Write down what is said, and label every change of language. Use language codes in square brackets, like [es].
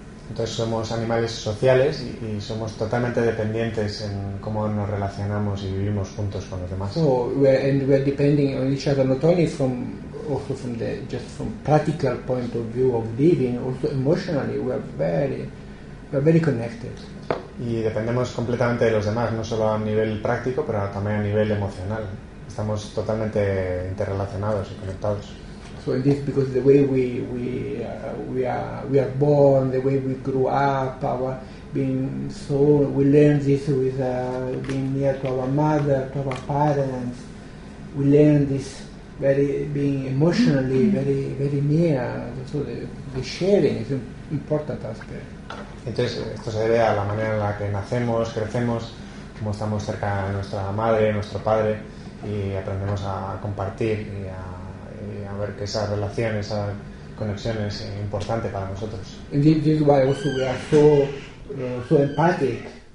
[es] Entonces somos animales sociales y somos totalmente dependientes en cómo nos relacionamos y vivimos juntos con los demás. [en] So we're depending on each other not only from also from the just from practical point of view of living, also emotionally we're very connected. [es] Y dependemos completamente de los demás, no solo a nivel práctico, pero también a nivel emocional. Estamos totalmente interrelacionados y conectados. [en] So it is because the way we are born, the way we grew up, our being so we learn this with being near to our mother, to our parents. We learn this very being emotionally very very near. So the sharing is an important aspect. [es] Entonces esto se debe a la manera en la que nacemos, crecemos, como estamos cerca de nuestra madre, nuestro padre. Y aprendemos a compartir y a ver que esa relación, esa conexión es importante para nosotros. [en] And this is why also we are so so empathic.